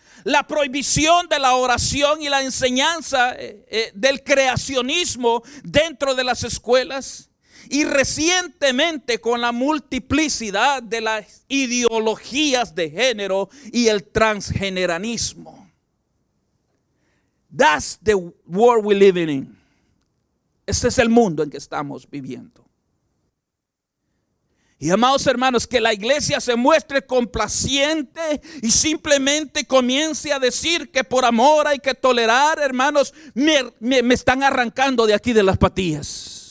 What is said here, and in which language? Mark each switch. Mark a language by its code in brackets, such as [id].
[es] la prohibición de la oración y la enseñanza del creacionismo dentro de las escuelas. Y recientemente con la multiplicidad de las ideologías de género y el transgeneranismo. [en] That's the world we're living in. [es] Este es el mundo en que estamos viviendo. Y amados hermanos, que la iglesia se muestre complaciente y simplemente comience a decir que por amor hay que tolerar, hermanos, me están arrancando de aquí de las patillas.